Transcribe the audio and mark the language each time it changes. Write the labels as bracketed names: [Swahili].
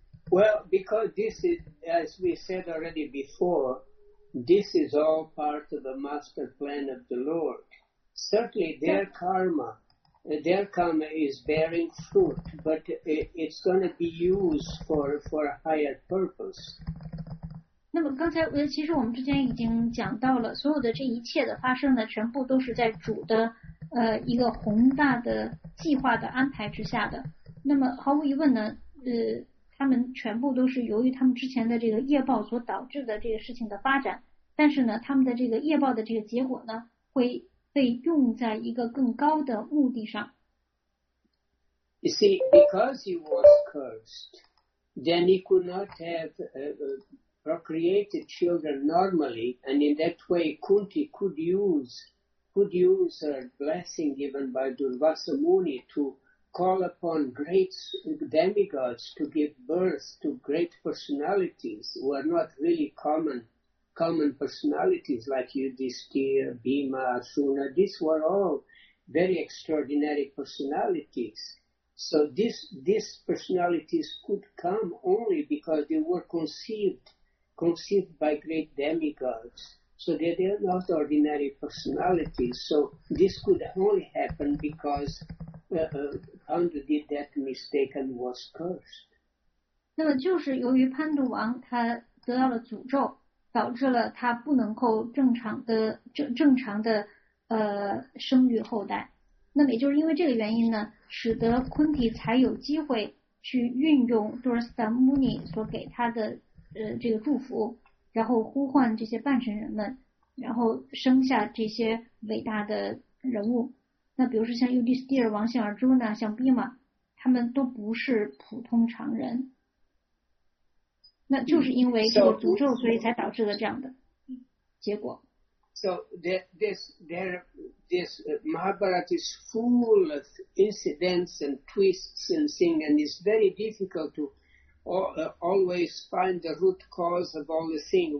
[English] Well, because this is, as we said already before, this is all part of the master plan of the Lord. Certainly their karma is bearing fruit, but it's going to be used for a higher purpose. [Chinese] 那么刚才其实我们之前已经讲到了，所有的这一切的发生呢，全部都是在主的一个宏大的计划的安排之下的。那么毫无疑问呢，他们全部都是由于他们之前的这个业报所导致的这个事情的发展，但是呢，他们的这个业报的这个结果呢，会被用在一个更高的目的上。 [English] You see, because he was cursed, then he could not have procreated children normally, and in that way Kunti could use a blessing given by Durvasa Muni to call upon great demigods to give birth to great personalities who are not really common personalities like Yudhisthira, Bhima, Asuna. These were all very extraordinary personalities. So these personalities could come only because they were conceived by great demigods. So they're not ordinary personalities. So this could only happen because Pandu did that mistake and was cursed. [Chinese] 那么就是由于潘杜王他得到了诅咒，导致了他不能够正常的生育后代。那么也就是因为这个原因呢，使得昆体才有机会去运用多尔斯达穆尼所给他的这个祝福，然后呼唤这些半神人们，然后生下这些伟大的人物。那比如说像尤迪斯蒂尔、王显尔朱呢，像毕马，他们都不是普通常人。那就是因为这个诅咒，所以才导致了这样的结果。 [English] So this Mahabharata is full of incidents and twists and things, and it's very difficult to always find the root cause of all the things.